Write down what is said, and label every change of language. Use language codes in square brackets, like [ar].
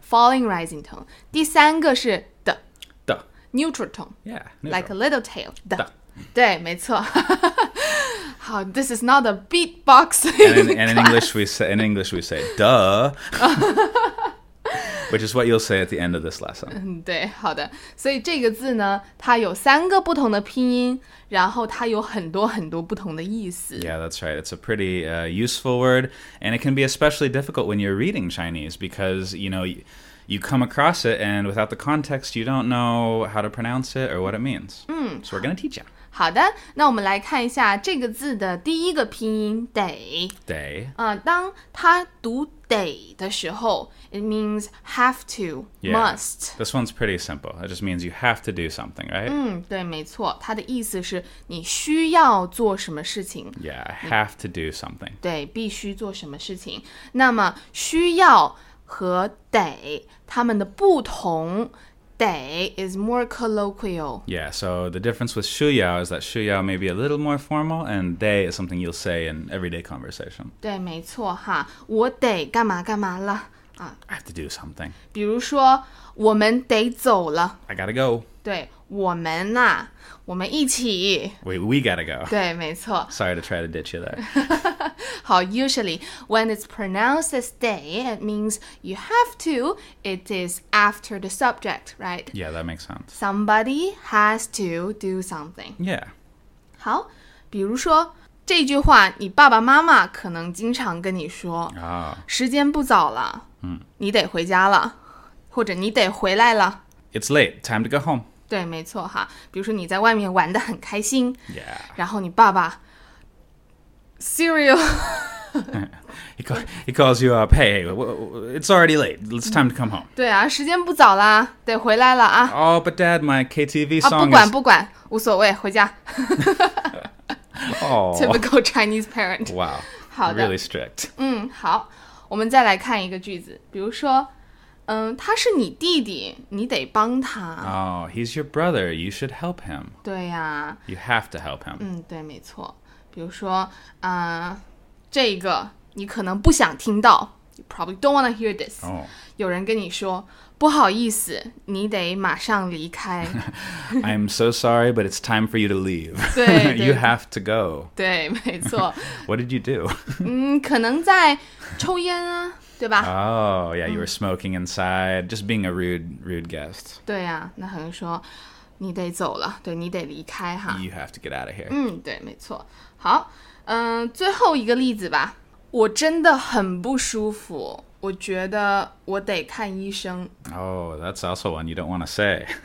[en] Falling rising tone. [zh] 第三个是的。的。 [en] Neutral tone. Yeah. Neutral. Like a little tail. [zh] 的。对没错。好, [en] this is not a beatboxing class. In English we say, duh, which is what you'll say at the end of this lesson. [zh] 对,好的。所以这个字呢,它有三个不同的拼音,然后它有很多很多不同的意思。 [en] Yeah, that's right. It's a pretty useful word, and it can be especially difficult when you're reading Chinese because, you know, you come across it, and without the context, you don't know how to pronounce it or what it means. So we're going to teach you. [zh] 好的，那我们来看一下这个字的第一个拼音 day。 day。当它读 day 的时候 ， [en] it means have to, yeah, must。 This one's pretty simple. It just means you have to do something, right? [zh] 对，没错，它的意思是你需要做什么事情。 [en] Yeah, have to do something。 [zh] 对，必须做什么事情。那么需要和 day 它们的不同。 [en] Day is more colloquial. Yeah, so the difference with 需要 is that 需要 may be a little more formal, and day is something you'll say in everyday conversation. [zh] 对，没错哈，我得干嘛干嘛了啊。 [en] I have to do something. [zh] 比如说，我们得走了。 [en] I gotta go. [zh] 对，我们啊，我们一起。 [en] We gotta go. [zh] 对，没错。 [en] Sorry to try to ditch you there. 好 usually, when it's pronounced as day, it means you have to, it is after the subject, right? Yeah, that makes sense. Somebody has to do something. Yeah. [zh] 好，比如说，这句话你爸爸妈妈可能经常跟你说，时间不早了，你得回家了，或者你得回来了。 [en] It's late, time to go home. [zh] 对，没错哈。比如说你在外面玩得很开心， [en] yeah. [zh] 然后你爸爸Cereal. [en] he calls you up, hey, it's already late, it's time to come home. [zh] 对啊，时间不早啦，得回来了啊。 [en] Oh, but dad, my KTV song [zh] is... 不管不管，无所谓，回家。 [en] Oh, typical Chinese parent. Wow, [zh] 好的。 [en] Really strict. [zh] 好，我们再来看一个句子，比如说，他是你弟弟，你得帮他。 [en] Oh, he's your brother, you should help him. [zh] 对啊。 [en] You have to help him. [zh] 对，没错。比如说，这个你可能不想听到 ， [en] You probably don't want to hear this、 oh.。 [zh] 有人跟你说，不好意思，你得马上离开。 [en] I'm so sorry, but it's time for you to leave. [zh] 对, 对 [en] ，You have to go. [zh] 对，没错。 [en] What did you do? [zh] 可能在抽烟啊，对吧 [en] ？Oh, yeah, you were smoking inside, just being a rude guest. [zh] 对啊，那可能说。你得走了，对，你得离开哈。 [en] You have to get out of here. [zh] 对，没错。好，最后一个例子吧。我真的很不舒服，我觉得我得看医生。 [en] Oh, that's also one you don't want to say.